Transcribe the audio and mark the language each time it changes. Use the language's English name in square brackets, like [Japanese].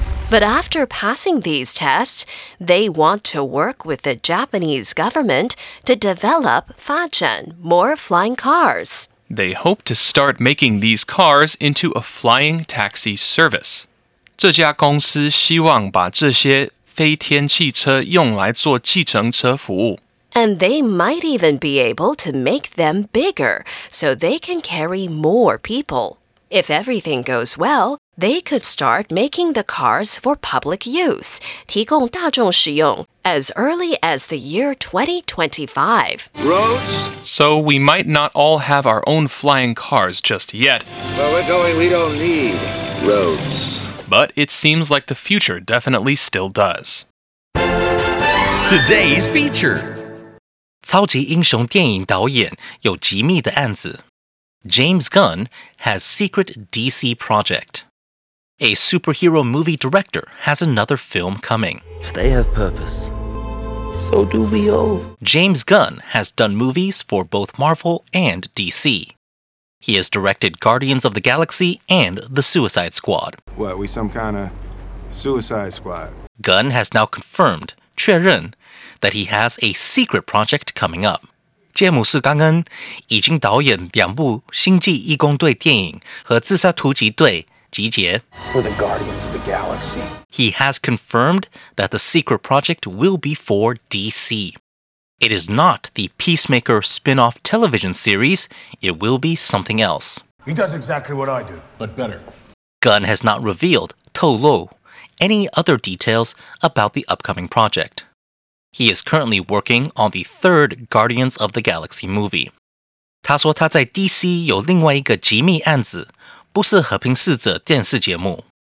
[English] But after passing these tests, they want to work with the Japanese government to develop, 发展, more flying cars. They hope to start making these cars into a flying taxi service. [Chinese] 这家公司希望把这些飞天汽车用来做计程车服务。 [English] And they might even be able to make them bigger, so they can carry more people. If everything goes well,They could start making the cars for public use, [Chinese] 提供大众使用, [English] as early as the year 2025. Roads? So we might not all have our own flying cars just yet. Where we're going, we don't need roads. But it seems like the future definitely still does. Today's feature. [Chinese] 超级英雄电影导演有机密的案子。 [English] James Gunn has secret DC project. A superhero movie director has another film coming. If they have purpose, So do we all. James Gunn has done movies for both Marvel and DC. He has directed Guardians of the Galaxy and The Suicide Squad. What, we some kind of Suicide Squad? Gunn has now confirmed, 确认, that he has a secret project coming up. [Chinese] 詹姆斯·甘恩已经导演两部《星际义工队》电影和《自杀突击队》集结。 [English] We're the Guardians of the Galaxy. He has confirmed that the secret project will be for DC. It is not the Peacemaker spin-off television series. It will be something else. He does exactly what I do, but better. Gunn has not revealed, 透露, any other details about the upcoming project. He is currently working on the third Guardians of the Galaxy movie. [Chinese] 他说他在 DC 有另外一个机密案子，不是和平使者电视节目。